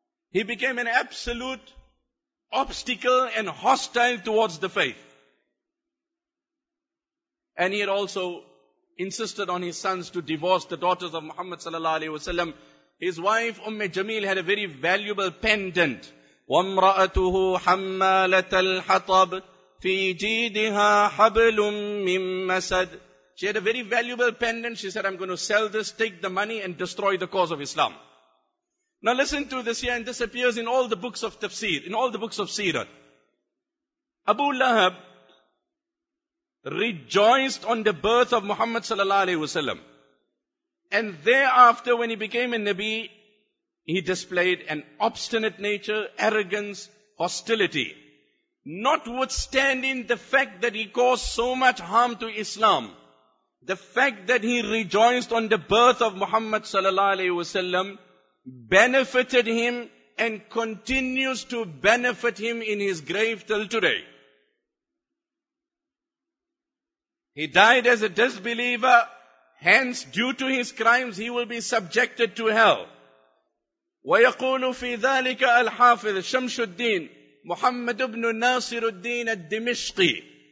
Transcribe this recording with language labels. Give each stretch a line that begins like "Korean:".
English: He became an absolute obstacle and hostile towards the faith. And he had also insisted on his sons to divorce the daughters of Muhammad sallallahu alaihi wasallam. His wife Umm Jamil had a very valuable pendant.
Arabic: وَامْرَأَتُهُ حَمَّالَةَ الْحَطَبِ فِي جِيدِهَا حَبْلٌ مِّن مَسَدٍ
English: She had a very valuable pendant. She said, I'm going to sell this, take the money and destroy the cause of Islam. Now listen to this here, and this appears in all the books of tafsir, in all the books of seerah. Abu Lahab rejoiced on the birth of Muhammad sallallahu alaihi wasallam. And thereafter, when he became a Nabi, he displayed an obstinate nature, arrogance, hostility. Notwithstanding the fact that he caused so much harm to Islam, the fact that he rejoiced on the birth of Muhammad sallallahu alaihi wasallam benefited him and continues to benefit him in his grave till today. He died as a disbeliever, hence due to his crimes he will be subjected to hell.
Arabic: وَيَقُولُ فِي ذَلِكَ الْحَافِظُ شَمْشُ الدِّينِ Muhammad ibn Nasir al-Din al-Dimishqi.